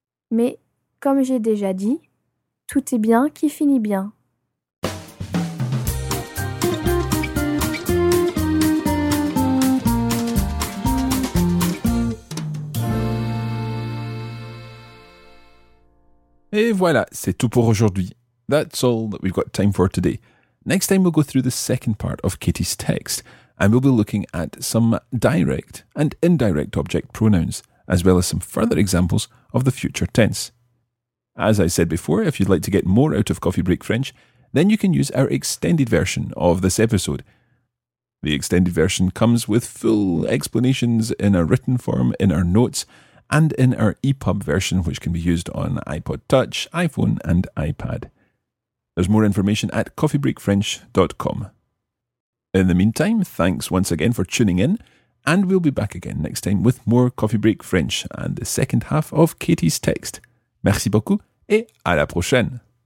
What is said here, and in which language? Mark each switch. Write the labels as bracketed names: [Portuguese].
[French] Mais, comme j'ai déjà dit, tout est bien qui finit bien. Et voilà, c'est tout pour aujourd'hui. [English] That's all that we've got time for today. Next time we'll go through the second part of Katie's text, and we'll be looking at some direct and indirect object pronouns, as well as some further examples of the future tense. As I said before, if you'd like to get more out of Coffee Break French, then you can use our extended version of this episode. The extended version comes with full explanations in a written form, in our notes, and in our EPUB version, which can be used on iPod Touch, iPhone, and iPad. There's more information at coffeebreakfrench.com. In the meantime, thanks once again for tuning in, and we'll be back again next time with more Coffee Break French and the second half of Katie's text. [French] Merci beaucoup et à la prochaine!